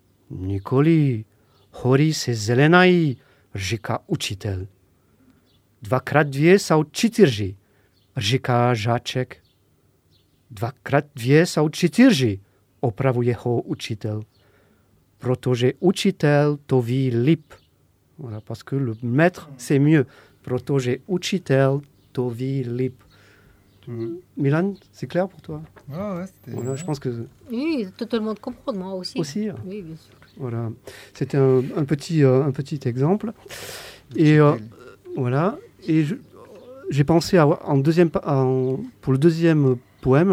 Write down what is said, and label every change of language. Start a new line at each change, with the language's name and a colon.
Czech: Nikoli, hory se zelenají, říká učitel. Dvakrát dvě jsou čtyři, říká žaček. Dvakrát dvě jsou čtyři, opravuje ho učitel. Protože učitel to ví líp.
French: Voilà, parce que le maître sait mieux.
Czech: Protože učitel to ví líp.
French: Milan, c'est clair pour toi? Ouais, je pense que... Oui, totalement de comprendre, moi aussi. Aussi? Oui, bien sûr. Voilà. C'était un petit exemple. Et voilà. Et j'ai pensé pour le deuxième poème.